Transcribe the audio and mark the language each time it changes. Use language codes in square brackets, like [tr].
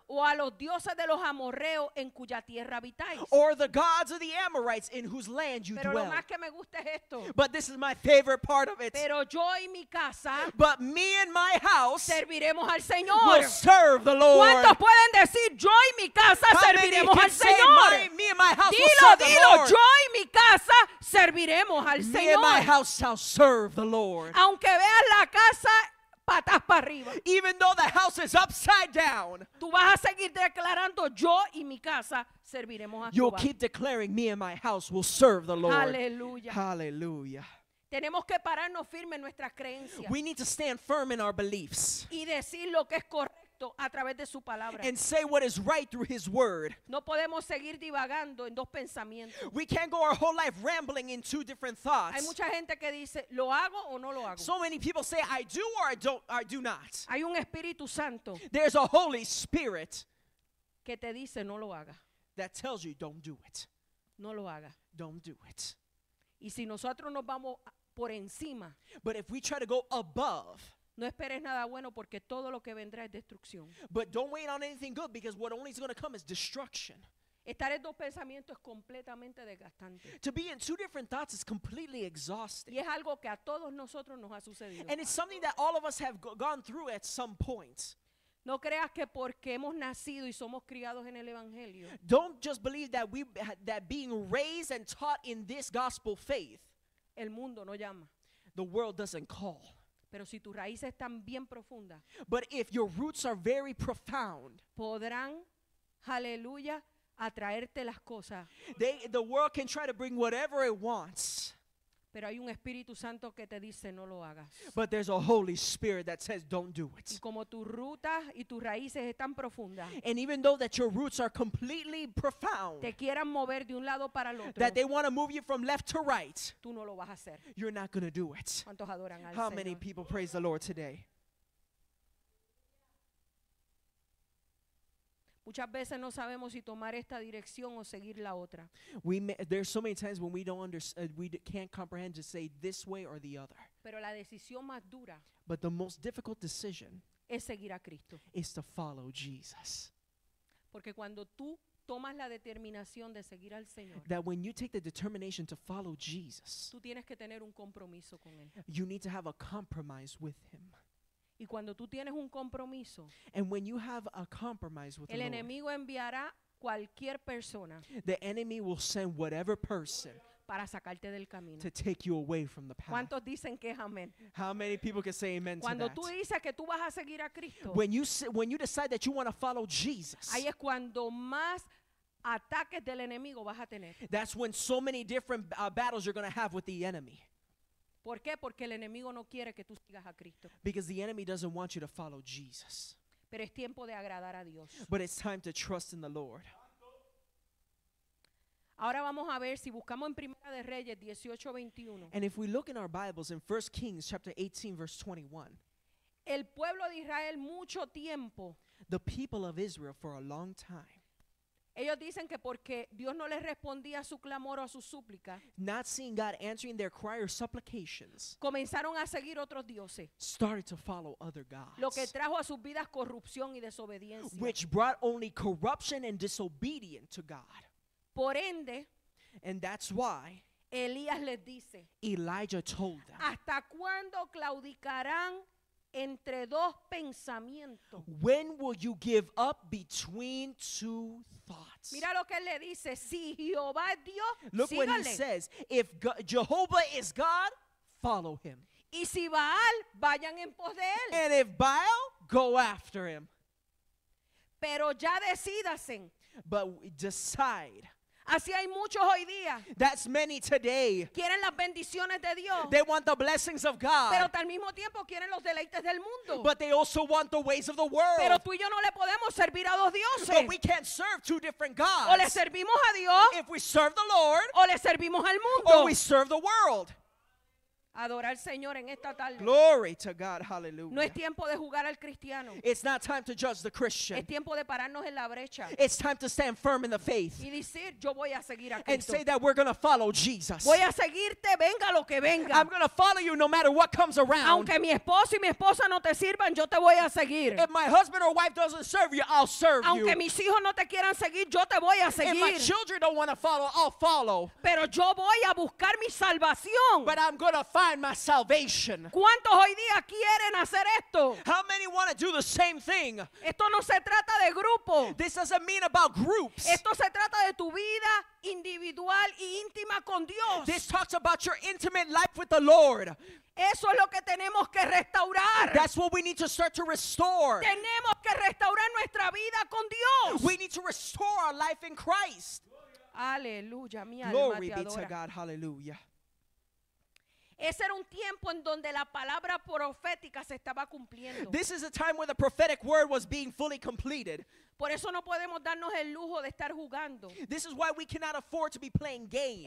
[es] o a los dioses de los amorreos en cuya tierra habitáis, [en] or the gods of the Amorites in whose land you [es] pero [en] dwell. [es] Lo más que me gusta es esto. [en] But this is my favorite part of it. [es] Pero yo y mi casa, [en] but me and my house, [es] serviremos al Señor. [en] Will serve the Lord. [es] ¿Cuántos pueden decir yo y mi casa serviremos al Señor? [en] Me and my house [es] dilo, [en] will serve [es] dilo, [en] the Lord. [es] Yo y mi casa serviremos al [en] me [es] Señor. [en] Me and my house shall serve the Lord. [es] Aunque veas la casa patas para arriba. [en] Even though the house is upside down. [es] Tú vas a seguir declarando yo y mi casa serviremos al Señor. [en] You'll keep declaring me and my house will serve the Lord. [es] Aleluya. [en] Hallelujah. [es] Tenemos que pararnos firme en nuestras creencias. [en] We need to stand firm in our beliefs. [es] Y decir lo que es correcto a través de su palabra. [en] And say what is right through his word. [es] No podemos seguir divagando en dos pensamientos. [en] We can't go our whole life rambling in two different thoughts. [es] Hay mucha gente que dice, ¿lo hago o no lo hago? [en] So many people say, I do or I don't, or I do not. [es] Hay un Espíritu Santo. [en] There's a Holy Spirit. [es] Que te dice, no lo haga. [en] That tells you, don't do it. [es] No lo haga. [en] Don't do it. [es] Y si nosotros nos vamos por encima, [en] but if we try to go above, [es] no esperes nada bueno porque todo lo que vendrá es destrucción. [en] But don't wait on anything good because what only is going to come is destruction. [es] Estar en dos pensamientos es completamente desgastante. [en] To be in two different thoughts is completely exhausting. [es] Y es algo que a todos nosotros nos ha sucedido. [en] And it's something that all of us have gone through at some point. [es] No creas que porque hemos nacido y somos criados en el evangelio. [en] Don't just believe that we that being raised and taught in this gospel faith. [es] El mundo no llama. [en] The world doesn't call. [es] Pero si tus raíces están bien profundas. [en] But if your roots are very profound. [es] Podrán, aleluya, atraerte las cosas. [en] The world can try to bring whatever it wants. [es] Pero hay un Espíritu Santo que te dice no lo hagas. [en] But there's a Holy Spirit that says don't do it. [es] Y como tus rutas y tus raíces están profundas. [en] And even though that your roots are completely profound. [es] Te quieran mover de un lado para el otro. [en] That they want to move you from left to right. [es] Tú no lo vas a hacer. [en] You're not going to do it. [es] ¿Cuántos adoran al [en] How [es] Señor? [en] Many people praise the Lord today? [es] Muchas veces no sabemos si tomar esta dirección o seguir la otra. [en] There's so many times when we don't understand, we can't comprehend to say this way or the other. [es] Pero la decisión más dura. [en] But the most difficult decision [es] es seguir a Cristo. [en] Is to follow Jesus. [es] Porque cuando tú tomas la determinación de seguir al Señor. [en] That when you take the determination to follow Jesus. [es] Tú tienes que tener un compromiso con él. [en] You need to have a compromise with him. [es] Y cuando tú tienes un compromiso, [en] and when you have a compromise with [es] el enemigo enviará cualquier persona, [en] the enemy will send whatever person [es] para sacarte del camino, [en] to take you away from the path. [es] ¿Cuántos dicen que es amén? [en] How many people can say amen [es] cuando [en] to that? [es] Cuando tú dices que tú vas a seguir a Cristo, [en] when you decide that you want to follow Jesus, [es] ahí es cuando más ataques del enemigo vas a tener. [en] That's when so many different battles you're going to have with the enemy. [es] ¿Por qué? Porque el enemigo no quiere que tú sigas a Cristo. [en] Because the enemy doesn't want you to follow Jesus. [es] Pero es tiempo de agradar a Dios. [en] But it's time to trust in the Lord. [es] Ahora vamos a ver si buscamos en Primera de Reyes 18:21. [en] And if we look in our Bibles in 1 Kings chapter 18 verse 21. [es] El pueblo de Israel mucho tiempo. [en] The people of Israel for a long time. [es] Ellos dicen que porque Dios no les respondía a su clamor o a su súplica, [en] not seeing God answering their cry or supplications, [es] comenzaron a seguir otros dioses, [en] started to follow other gods, [es] lo que trajo a sus vidas corrupción y desobediencia, [en] which brought only corruption and disobedience to God. [es] Por ende, [en] and that's why, [es] Elías les dice, [en] Elijah told them, [es] ¿hasta cuándo claudicarán entre dos pensamientos? [en] When will you give up between two thoughts? [es] Mira lo que él le dice, si Jehová es Dios, sígale. [en] Look what he says, if Jehovah is God, follow him. [es] Y si Baal, vayan en pos de él. [en] And if Baal, go after him. [es] Pero ya decídasen. [en] But decide. [es] Así hay muchos hoy día. [en] That's many today. [es] Quieren las bendiciones de Dios. [en] They want the blessings of God. [es] Pero al mismo tiempo quieren los deleites del mundo. [en] But they also want the ways of the world. [es] Pero tú y yo no le podemos servir a dos dioses. [en] But we can't serve two different gods. [es] O le servimos a Dios. [en] If we serve the Lord. [es] O le servimos al mundo. [en] Or we serve the world. [es] Adorar al Señor en esta tarde. [en] Glory to God, hallelujah. [es] No es tiempo de jugar al cristiano. [en] It's not time to judge the Christian. [es] Es tiempo de pararnos en la brecha. [en] It's time to stand firm in the faith. [es] Y decir, yo voy a seguir a Cristo. [en] And say that we're going to follow Jesus. [es] Voy a seguirte, venga lo que venga. [en] I'm going to follow you no matter what comes around. [es] Aunque mi esposo y mi esposa no te sirvan, yo te voy a seguir. [en] If my husband or wife doesn't serve you, I'll serve [es] Aunque [en] you. [es] Aunque mis hijos no te quieran seguir, yo te voy a seguir. [en] If my children don't want to follow, I'll follow. [es] Pero yo voy a buscar mi salvación. [en] But I'm going to follow. My salvation. [es] ¿Cuántos hoy día quieren hacer esto? [en] How many want to do the same thing? [es] Esto no se trata de grupo. [en] This doesn't mean about groups. [es] Esto se trata de tu vida individual y íntima con Dios. [en] This talks about your intimate life with the Lord. [es] Eso es lo que tenemos que restaurar. [en] That's what we need to start to restore. [es] Tenemos que restaurar nuestra vida con Dios. [en] We need to restore our life in Christ. [es] Aleluya, mi alma. [en] Glory be to God. Hallelujah. [es] Ese era un tiempo en donde la palabra profética se estaba cumpliendo. [en] This is a time where the prophetic word was being fully completed. [es] Por eso no podemos darnos el lujo de estar jugando. [en] This is why we cannot afford to be playing games.